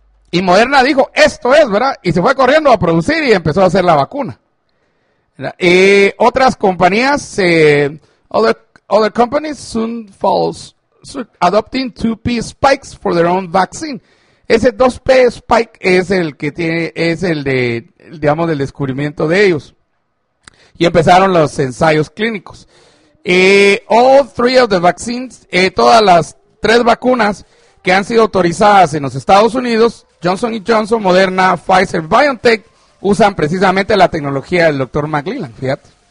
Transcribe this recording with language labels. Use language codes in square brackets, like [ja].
[es] Y Moderna dijo, esto es, ¿verdad? Y se fue corriendo a producir y empezó a hacer la vacuna. Otras compañías, [en] other companies soon follow, adopting 2P spikes for their own vaccine. [es] Ese 2P spike es el que tiene, es el de, digamos, del descubrimiento de ellos. Y empezaron los ensayos clínicos. [en] All three of the vaccines, [es] todas las tres vacunas que han sido autorizadas en los Estados Unidos, Johnson & Johnson, Moderna, Pfizer, BioNTech, usan precisamente la tecnología del Dr. McLellan, fíjate.